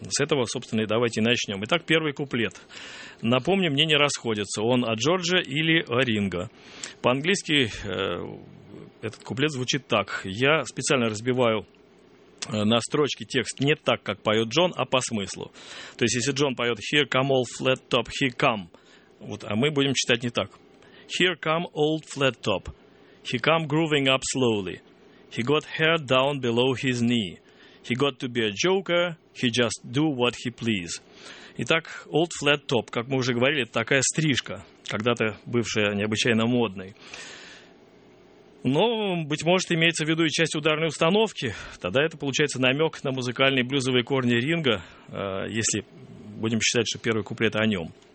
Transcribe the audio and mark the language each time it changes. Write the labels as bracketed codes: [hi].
[ru] С этого, собственно, и давайте начнем. Итак, первый куплет. Напомни, мне не расходятся, он о Джорджа или о Ринго. По-английски этот куплет звучит так. Я специально разбиваю на строчке текст не так, как поет Джон, а по смыслу. То есть, если Джон поет [en] «Here come old flat top, he come», [ru] вот, а мы будем читать не так. [en] «Here come old flat top, he come grooving up slowly, he got hair down below his knee, he got to be a joker, he just do what he please». [ru] Итак, «old flat top», как мы уже говорили, это такая стрижка, когда-то бывшая необычайно модной. Но, быть может, имеется в виду и часть ударной установки. Тогда это, получается, намек на музыкальные блюзовые корни Ринго, если будем считать, что первый куплет о нем.